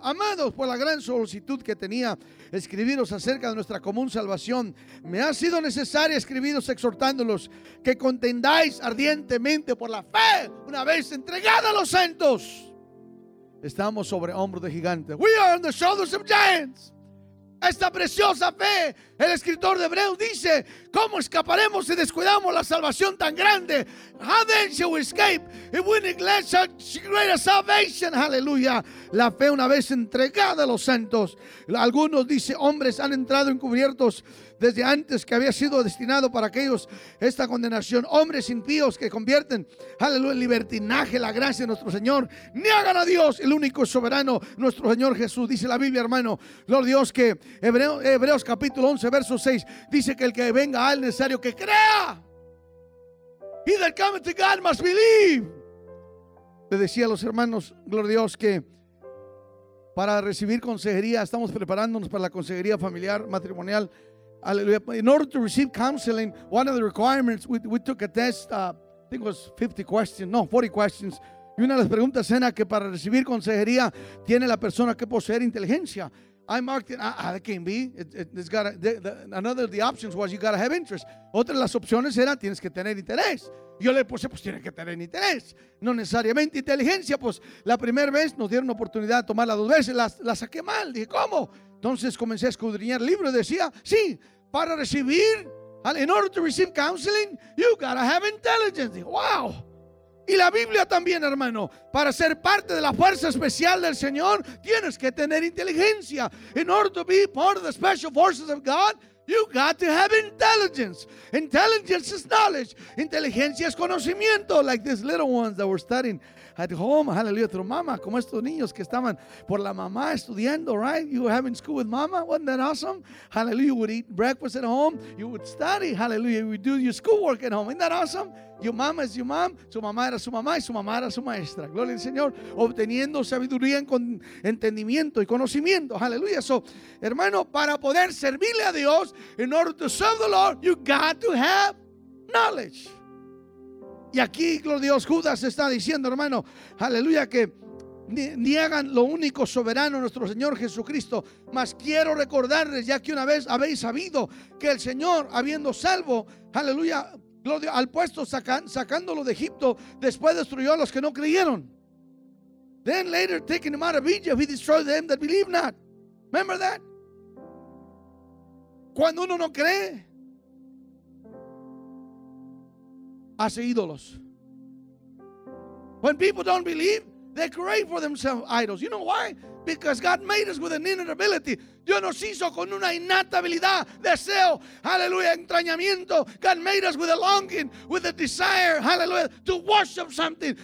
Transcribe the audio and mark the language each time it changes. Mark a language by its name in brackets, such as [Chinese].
[Spanish] Amados, por la gran solicitud que tenía escribiros acerca de nuestra común salvación, me ha sido necesario escribiros exhortándolos que contendáis ardientemente por la fe, una vez entregada a los santos. Estamos sobre hombros de gigantes. [English] We are on the shoulders of giants. [Spanish] Esta preciosa fe, el escritor de Hebreos dice, ¿cómo escaparemos si descuidamos la salvación tan grande? [English] How then shall we escape if we neglect such great salvation? [Spanish] Aleluya. La fe una vez entregada a los santos. Algunos, dice, hombres han entrado encubiertos desde antes que había sido destinado para aquellos esta condenación. Hombres impíos que convierten, aleluya, el libertinaje, la gracia de nuestro Señor. Niegan a Dios, el único soberano, nuestro Señor Jesús. Dice la Biblia, hermano, los Dios que, Hebreos capítulo 11, verso 6, dice que el que venga al necesario que crea. [English] He that cometh to God must believe. [Spanish] Le decía a los hermanos, gloria a Dios, que para recibir consejería, estamos preparándonos para la consejería familiar, matrimonial. [English] In order to receive counseling, one of the requirements, we took a test, I think it was 50 questions, no, 40 questions. [Spanish] Y una de las preguntas era que para recibir consejería tiene la persona que poseer inteligencia. [English] I marked it, that can't be. It's got another of the options was you got to have interest. [Spanish] Otra de las opciones era tienes que tener interés. Yo le puse, pues tiene que tener interés. No necesariamente inteligencia, pues la primera vez nos dieron oportunidad de tomarla dos veces. La saqué mal. Dije, ¿cómo? Entonces comencé a escudriñar el libro y decía, sí, para recibir, [English] in order to receive counseling, you got to have intelligence. [Spanish] Dije, wow. Y la Biblia también, hermano, para ser parte de la fuerza especial del Señor, tienes que tener inteligencia. [English] In order to be part of the special forces of God, you got to have intelligence. Intelligence is knowledge. [Spanish] Inteligencia es conocimiento, [English] like these little ones that were studying at home, hallelujah, through mama, [Spanish] como estos niños que estaban por la mamá estudiando, [English] right? You were having school with mama, wasn't that awesome? Hallelujah, you would eat breakfast at home, you would study, hallelujah, you would do your schoolwork at home, isn't that awesome? Your mama is your mom, [Spanish] su mamá era su mamá y su mamá era su maestra, gloria al Señor, obteniendo sabiduría con entendimiento y conocimiento, hallelujah. [English] So, [Spanish] hermano, para poder servirle a Dios, [English] in order to serve the Lord, you got to have knowledge. [Spanish] Y aquí, gloria a Dios, Judas está diciendo, hermano, aleluya, que niegan lo único soberano, nuestro Señor Jesucristo. Mas quiero recordarles, ya que una vez habéis sabido que el Señor, habiendo salvo, aleluya, gloria a Dios, al puesto sacándolo de Egipto, después destruyó a los que no creyeron. [English] Then later, taking him out of Egypt, he destroyed them that believe not. Remember that? [Spanish] Cuando uno no cree, hace ídolos. [English] When people don't believe, they create for themselves idols. You know why? Because God made us with an innate ability. [Spanish] Dios nos hizo con una innata habilidad, deseo, hallelujah, entrañamiento. [English] God made us with a longing, with a desire, hallelujah, to worship something.